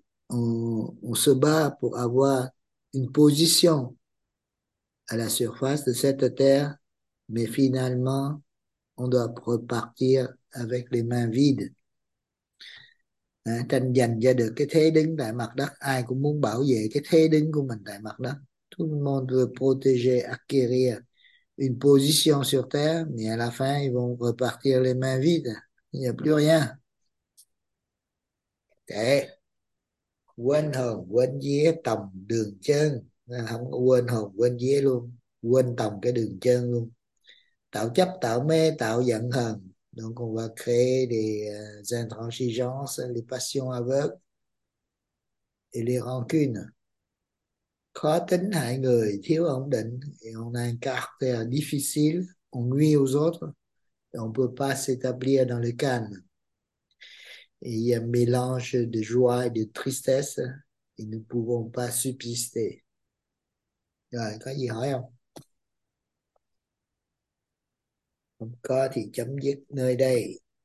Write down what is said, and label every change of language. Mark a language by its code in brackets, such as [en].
[fr] On se bat pour avoir une position à la surface de cette terre, mais finalement, on doit repartir avec les mains vides. [vi] Tranh giành ra được cái thế đứng tại mặt đất, ai cũng muốn bảo vệ cái thế đứng của mình tại mặt đất. [fr] Tout le monde veut protéger, acquérir une position sur terre, mais à la fin, ils vont repartir les mains vides. Il n'y a plus rien. [vi] Để quên hồn, quên vía, tòng đường chơn. Không có quên hồn, quên vía luôn. Quên tòng cái đường chơn luôn. Tạo chấp, tạo mê, tạo giận hờn. [fr] Donc on va créer des intransigeances, les passions aveugles et les rancunes. [vi] Khó tính hại người, thiếu ổn định, [fr] et on a un caractère difficile, on nuit aux autres, On ne peut pas s'établir dans le calme. Il y a un mélange de joie et de tristesse et nous ne pouvons pas subsister. Là, quand il n'y a rien. Comme quoi, tu [vi] chấm dứt nơi đây.